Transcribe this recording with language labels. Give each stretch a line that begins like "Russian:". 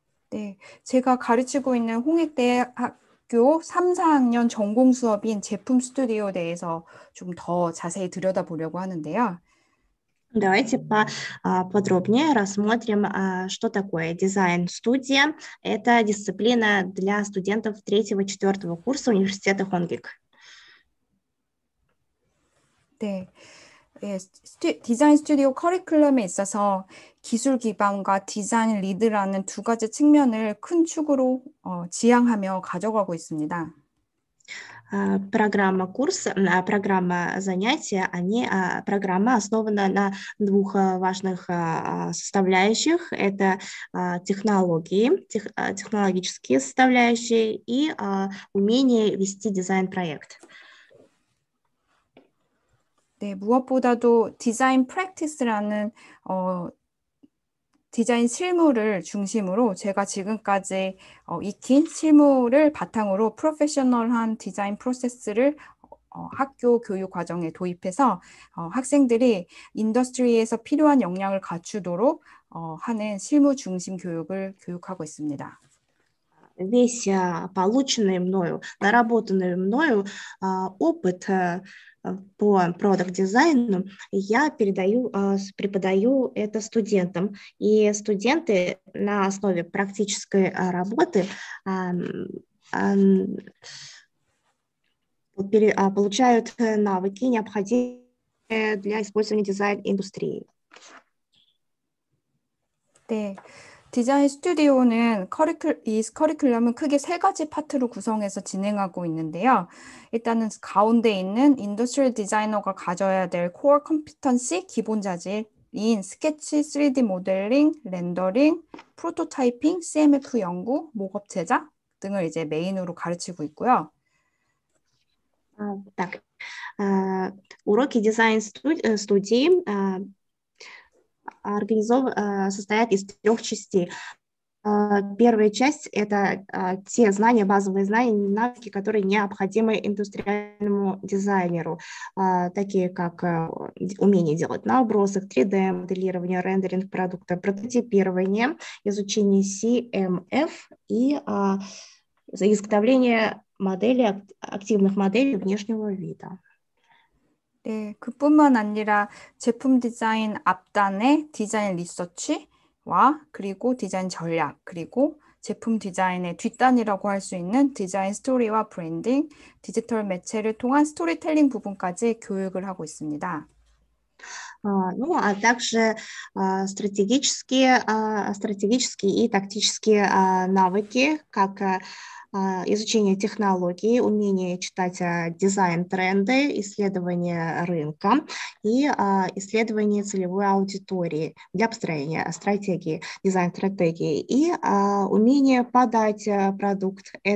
Korean: 네, 제가 가르치고 있는 홍익대학교 3, 4학년 전공 수업인 제품 스튜디오에 대해서 좀 더 자세히 들여다보려고 하는데요.
Russian: Давайте подробнее рассмотрим, что такое дизайн-студия. Это дисциплина для студентов 3-4 курса университета Хонгвик.
Korean: 네. 예, 디자인 스튜디오 커리큘럼에 있어서 기술 기반과 디자인 리드라는 두 가지 측면을 큰 축으로 지향하며 가져가고 있습니다.
Russian: программа курса, программа занятия, они, программа основана на двух важных составляющих. Это технологические составляющие и умение вести дизайн-проект.
Korean: 네, 무엇보다도 디자인 프랙티스라는 디자인 실무를 중심으로 제가 지금까지 익힌 실무를 바탕으로 프로페셔널한 디자인 프로세스를 학교 교육 과정에 도입해서 학생들이 인더스트리에서 필요한 역량을 갖추도록 하는 실무 중심 교육을 교육하고 있습니다.
Russian: Весь полученный мною, наработанный мною опыт по продакт-дизайну я преподаю это студентам. И студенты на основе практической работы получают навыки, необходимые для использования дизайн-индустрии.
Korean: 네, 디자인 스튜디오는 이 커리큘럼은 크게 세 가지 파트로 구성해서 진행하고 있는데요. 일단은 가운데 있는 인더스트리 디자이너가 가져야 될 코어 컴피턴시 기본 자질인 스케치, 3D 모델링, 렌더링, 프로토타이핑, CMF 연구, 목업 제작 등을 이제 메인으로 가르치고 있고요.
Russian: Так, уроки дизайн студии состоят из трех частей. Первая часть это те знания, базовые знания, навыки, которые необходимы индустриальному дизайнеру, такие как умение делать набросок, 3D-моделирование, рендеринг продукта, прототипирование, изучение CMF и изготовление модели, активных моделей внешнего вида.
Korean: 네, 그뿐만 아니라 제품 디자인 앞단의 디자인 리서치와 그리고 디자인 전략, 그리고 제품 디자인의 뒷단이라고 할수 있는 디자인 스토리와 브랜딩, 디지털 매체를 통한 스토리텔링 부분까지 교육을 하고 있습니다.
Russian: Ну, а также стратегические и тактические навыки, как изучение технологий, умение читать дизайн-тренды, исследование рынка и исследование целевой аудитории для построения стратегии, дизайн-стратегии и умение подать продукт.